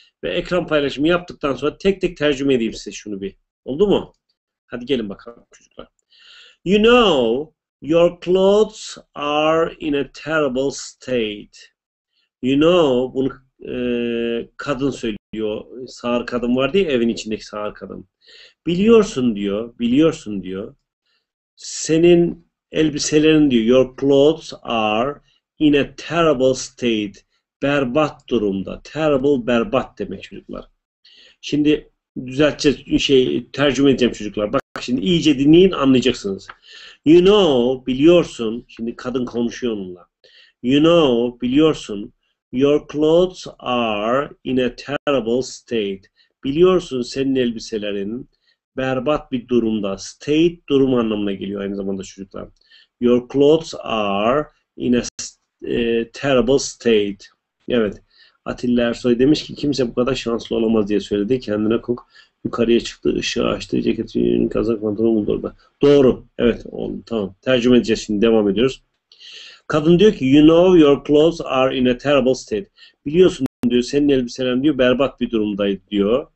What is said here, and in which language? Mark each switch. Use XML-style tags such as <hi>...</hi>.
<tr>Ve ekran paylaşımı yaptıktan sonra tek tek tercüme edeyim size şunu bir. Oldu mu? Hadi gelin bakalım çocuklar.</tr> <en>You know, your clothes are in a terrible state. You know,</en> <tr>bunu kadın söylüyor. Sağır kadın var diye evin içindeki sağır kadın. Biliyorsun diyor, biliyorsun diyor. Senin elbiselerin diyor,</tr> <en>your clothes are in a terrible state.</en> <tr>Berbat durumda. Terrible, berbat demek çocuklar. Şimdi düzelteceğiz, şey, tercüme edeceğim çocuklar. Bak. Şimdi iyice dinleyin anlayacaksınız.</tr> <en>You know,</en> <tr>biliyorsun. Şimdi kadın konuşuyor onunla.</tr> <en>You know,</en> <tr>biliyorsun.</tr> <en>Your clothes are in a terrible state.</en> <tr>Biliyorsun senin elbiselerin berbat bir durumda. State durum anlamına geliyor aynı zamanda çocuklar.</tr> <en>Your clothes are in a terrible state.</en> <tr>Evet. Atilla Ersoy demiş ki kimse bu kadar şanslı olamaz diye söyledi. Kendine kok. Yukarıya çıktı, ışığı açtı, ceketini, kazak pantolonu buldu orada. Doğru. Evet, oldu. Tamam. Tercüme edeceğiz şimdi. Devam ediyoruz. Kadın diyor ki,</tr> <en>you know your clothes are in a terrible state.</en> <tr>Biliyorsun diyor, senin elbiselerin diyor, berbat bir durumdaydı diyor.</tr>